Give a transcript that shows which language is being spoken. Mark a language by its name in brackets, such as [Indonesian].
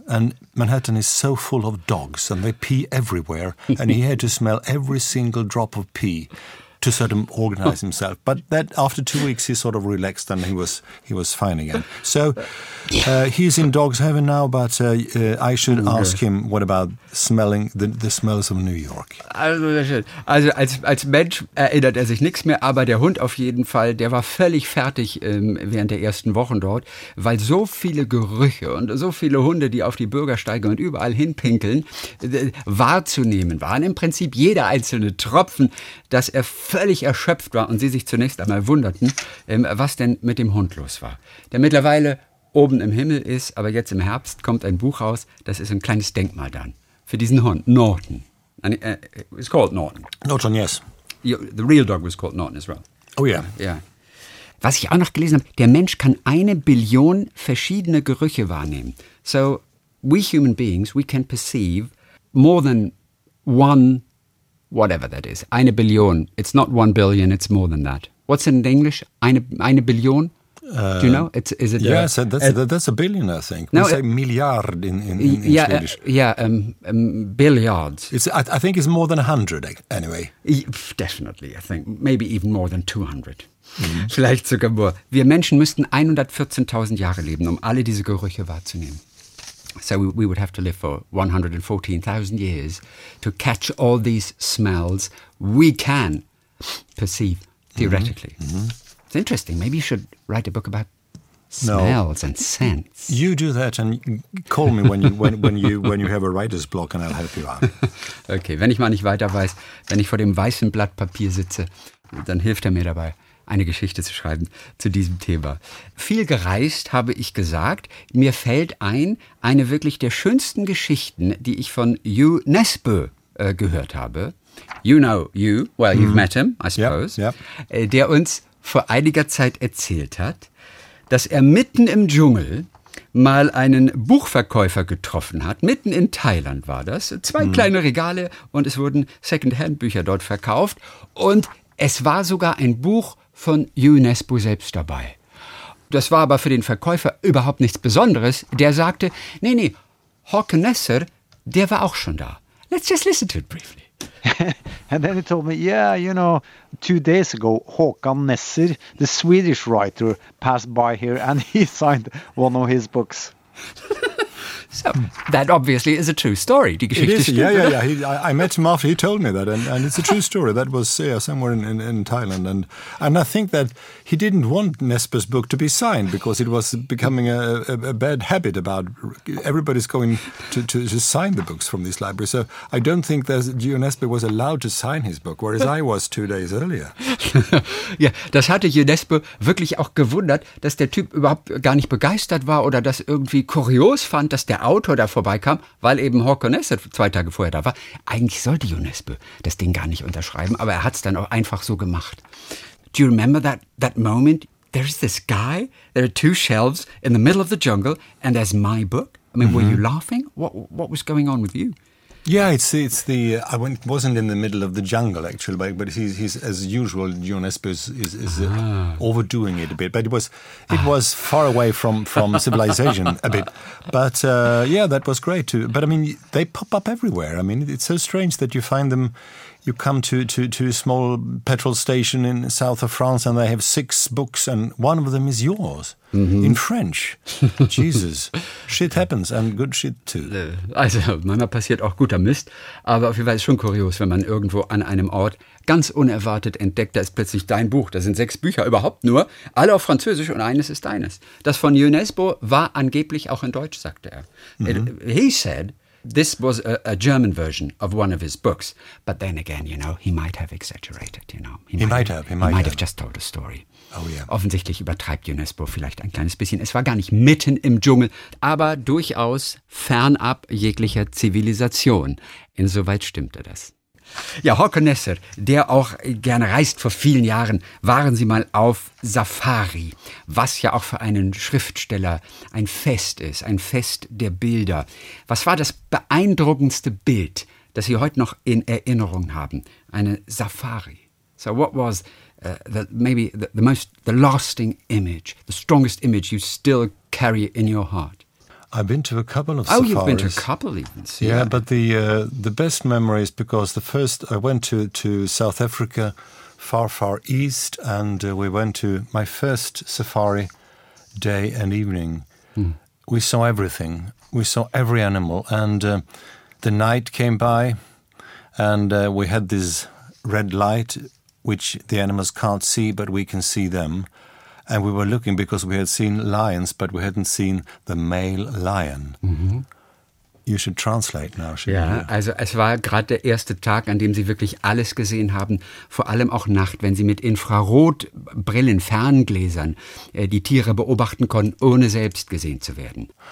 [English] And Manhattan is so full of dogs, and they pee everywhere, and he had to smell every single drop of pee to sort of organize himself. But that after 2 weeks, he sort of relaxed, and he was fine again. So he's in dog's heaven now, but I should ask him, what about smelling the smells of New York? [German] Also, sehr schön. Also als Mensch erinnert er sich nichts mehr, aber der Hund auf jeden Fall, der war völlig fertig während der ersten Wochen dort, weil so viele Gerüche und so viele Hunde, die auf die Bürgersteige und überall hinpinkeln, wahrzunehmen waren. Im Prinzip jeder einzelne Tropfen, dass er völlig erschöpft war und sie sich zunächst einmal wunderten, was denn mit dem Hund los war. Der mittlerweile oben im Himmel ist, aber jetzt im Herbst kommt ein Buch raus, das ist ein kleines Denkmal dann für diesen Hund, Norton. [English] And it's called Norton. Norton, yes. The real dog was called Norton as well. Oh yeah. Yeah. [German] Was ich auch noch gelesen habe, der Mensch kann 1 Billion verschiedene Gerüche wahrnehmen. [English] So, we human beings, we can perceive more than one, whatever that is, 1 Billion. It's not 1 billion, it's more than that. What's in English? [German] Eine Billion? [English] Do you know? That's a billion, I think. No, we say milliard in Swedish. Billiards. I think it's more than 100, anyway. Definitely, I think. Maybe even more than 200. Mm-hmm. [German] Vielleicht sogar [English] more. [German] Wir Menschen müssten 114.000 Jahre leben, um alle diese Gerüche wahrzunehmen. [English] So we would have to live for 114,000 years to catch all these smells we can perceive, theoretically. Mm-hmm. Mm-hmm. It's interesting. Maybe you should write a book about smells and scents. You do that and call me when you have a writer's block and I'll help you out. [German] Okay, wenn ich mal nicht weiter weiß, wenn ich vor dem weißen Blatt Papier sitze, dann hilft er mir dabei, eine Geschichte zu schreiben zu diesem Thema. Viel gereist, habe ich gesagt. Mir fällt ein, eine wirklich der schönsten Geschichten, die ich von Hugh Nesbø gehört habe. [English] You know you. Well, you've met him, I suppose. Yep, yep. [German] Der uns vor einiger Zeit erzählt hat, dass er mitten im Dschungel mal einen Buchverkäufer getroffen hat. Mitten in Thailand war das. 2 kleine Regale und es wurden Secondhand-Bücher dort verkauft. Und es war sogar ein Buch von Hugh Nesbø selbst dabei. Das war aber für den Verkäufer überhaupt nichts Besonderes. Der sagte, nee, Håkon Nesser, der war auch schon da. [English] Let's just listen to it briefly. And then he told me, you know, 2 days ago, Håkan Nesser, the Swedish writer, passed by here and he signed one of his books. So that obviously is a true story. [German] Die Geschichte stimmt. Yeah. [English] I met him after he told me that, and it's a true story. That was somewhere in Thailand, and I think that he didn't want Nesbø's book to be signed because it was becoming a bad habit about everybody's going to sign the books from this library. So I don't think that Hugh Nesbø was allowed to sign his book, whereas I was 2 days earlier. [German] Yeah, das hatte Hugh Nesbø wirklich auch gewundert, dass der Typ überhaupt gar nicht begeistert war oder das irgendwie kurios fand, dass der Autor da vorbeikam, weil eben Håkon Nesser 2 Tage vorher da war. Eigentlich sollte Hugh Nesbø das Ding gar nicht unterschreiben, aber er hat es dann auch einfach so gemacht. [English] Do you remember that moment? There's this guy, there are 2 shelves in the middle of the jungle and there's my book? I mean, were you laughing? What was going on with you? Yeah, I wasn't in the middle of the jungle, actually, but he's as usual, Hugh Nesbø is overdoing it a bit. But it was far away from civilization a bit. But that was great too. But I mean, they pop up everywhere. I mean, it's so strange that you find them you come to a small petrol station in the south of France and they have six books and one of them is yours. Mm-hmm. In French. Jesus. Shit happens and good shit too. [German] Also, manchmal passiert auch guter Mist, aber auf jeden Fall ist schon kurios, wenn man irgendwo an einem Ort ganz unerwartet entdeckt, da ist plötzlich dein Buch. Da sind sechs Bücher überhaupt nur, alle auf Französisch und eines ist deines. Das von UNESCO war angeblich auch in Deutsch, sagte er. [English] Mm-hmm. He said, this was a German version of one of his books. But then again, you know, he might have exaggerated, you know. He might have just told a story. Oh yeah. [German] Offensichtlich übertreibt UNESCO vielleicht ein kleines bisschen. Es war gar nicht mitten im Dschungel, aber durchaus fernab jeglicher Zivilisation. Insoweit stimmte das. Ja, Håkon Nesser, der auch gerne reist, vor vielen Jahren waren Sie mal auf Safari, was ja auch für einen Schriftsteller ein Fest ist, ein Fest der Bilder. Was war das beeindruckendste Bild, das Sie heute noch in Erinnerung haben? Eine Safari. [English] So what was the lasting image, the strongest image you still carry in your heart? I've been to a couple of safaris. Oh, you've been to a couple even. So yeah, but the best memory is because the first I went to South Africa, far, far east, and we went to my first safari day and evening. Mm. We saw everything. We saw every animal. And the night came by and we had this red light, which the animals can't see, but we can see them. And we were looking because we had seen lions, but we hadn't seen the male lion. Mm-hmm. You should translate now, should yeah, you? [German] Yeah, also es war gerade der erste Tag, an dem Sie wirklich alles gesehen haben, vor allem auch Nacht, wenn Sie mit Infrarotbrillen, Ferngläsern, die Tiere beobachten konnten, ohne selbst gesehen zu werden.